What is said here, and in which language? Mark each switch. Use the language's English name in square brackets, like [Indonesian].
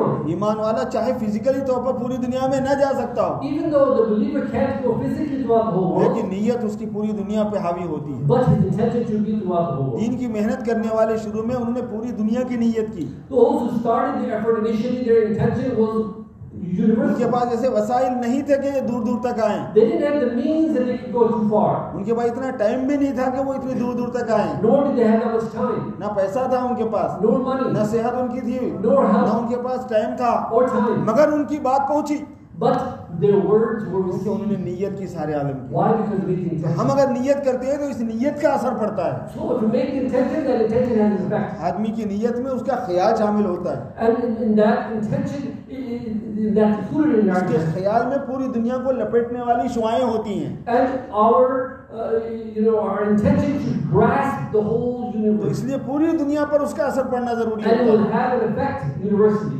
[Urdu] ایمان والا چاہے فزیکلی طور پر پوری دنیا میں نہ جا سکتا ہو, لیکن نیت اس کی پوری دنیا پہ حاوی ہوتی ہے. دین کی محنت کرنے والے شروع میں انہوں نے پوری دنیا کی نیت کی. ان کے پاس ایسے وسائل نہیں تھے کہ دور دور تک آئیں. [English] They didn't have the means that they could go too far. [Urdu] ان کے پاس اتنا ٹائم بھی نہیں تھا کہ وہ اتنی دور دور تک آئیں. [English] Nor did they have that much time. [Urdu] نہ پیسہ تھا ان کے پاس. [English] Nor money. [Urdu] نہ صحت ان کی تھی. [English] Nor health. [Urdu] نہ ان کے پاس ٹائم تھا. [English] Or time. [Urdu] مگر ان کی بات پہنچی. [English] But their words were received. [Urdu] انہوں نے نیت کی سارے عالم کی. [English] Why? Because we intend. [Urdu] ہم اگر نیت کرتے ہیں تو اس نیت کا اثر پڑتا ہے. [English] So if you make intention, then intention has an effect. [Urdu] آدمی کی نیت میں اس کا خیال شامل ہوتا ہے. [English] And in that intention, [Urdu] اس کے خیال میں پوری دنیا کو لپیٹنے والی شعائیں ہوتی ہیں. [English] And our our intention should grasp the whole universe. [Urdu] اس لیے پوری دنیا پر اس کا اثر پڑنا ضروری ہے.